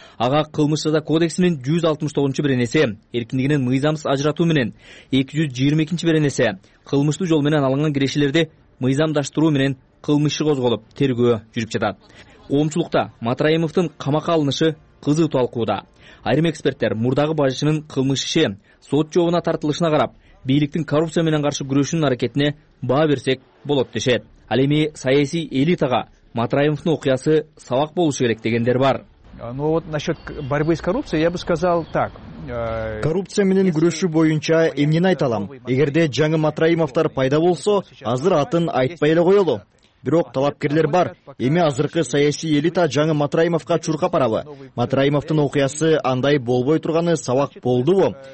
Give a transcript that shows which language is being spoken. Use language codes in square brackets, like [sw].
[ky] Ага кылмыш жаза кодексинин 169 беренеси эркиндигинен мыйзамсыз ажыратуу менен 222 беренеси кылмыштуу жол менен алынган кирешелерди мыйзамдаштыруу менен кылмыш иши козголуп, тергөө жүрүп жатат. Коомчулукта Матраимовдун камакка алынышы кызуу талкууда. Айрым эксперттер мурдагы бажычынын кылмыш иши сот жообуна тартылышына карап, бийликтин коррупция менен каршы күрөшүүнүн аракетине баа берсек болот дешет. Ал эми саясий элитага Матраимовдун окуясы сабак болушу керек дегендер бар. [ru] Ну вот насчет борьбы с коррупцией, я бы сказал так. [ky] Коррупция менен күрөшүү боюнча эмнени айта алам? Эгерде жаңы Матраимовдор пайда болсо, азыр атын айтпай эле коелу. Бирок талапкерлер бар. Эми азыркы саясий элита жаңы Матраимовго чуркап арабы? Матраимовдун окуясы андай болбой турганы сабак болдубу?